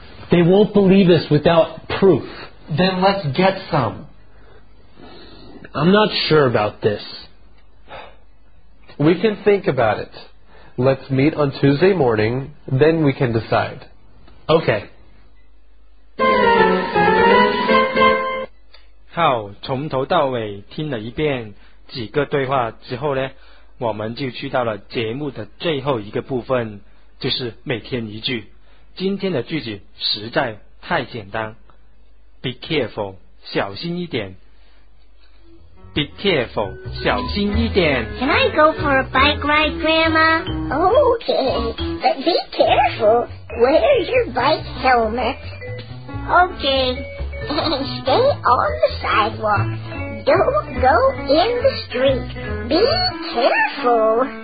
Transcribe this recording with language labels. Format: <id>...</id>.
<en>They won't believe us without proof. Then let's get some. I'm not sure about this. We can think about it. Let's meet on Tuesday morning, then we can decide. Okay.</en> <zh>好，从头到尾听了一遍几个对话之后呢，我们就去到了节目的最后一个部分，就是每天一句。今天的句子实在太简单 ，</zh> <en>Be careful，</en> <zh>小心一点。</zh> <en>Be careful，</en> <zh>小心一点。</zh> <en>Can I go for a bike ride, Grandma? Okay, but be careful. Wear your bike helmet. Okay. And stay on the sidewalk. Don't go in the street. Be careful.</en>